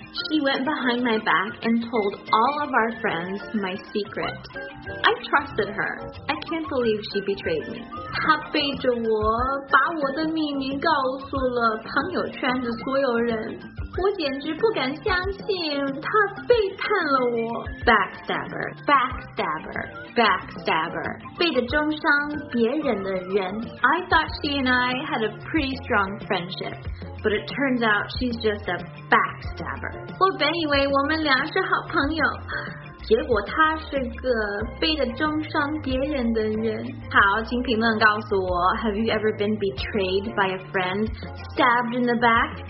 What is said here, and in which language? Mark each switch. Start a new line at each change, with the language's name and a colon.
English: She went behind my back and told all of our friends my secret. I trusted her. I can't believe she betrayed me.
Chinese: 她背着我把我的秘密告诉了朋友圈的所有人。我简直不敢相信她背叛了我。
English: Backstabber, backstabber, backstabber.
Chinese: 背着中伤别人的人。
English: I thought she and I had a pretty strong friendship. But it turns out she's just a backstabber.
Chinese: 我本以为我们俩是好朋友，结果她是个背着中伤别人的人。好，请评论告诉我
English: ，Have you ever been betrayed by a friend, stabbed in the back?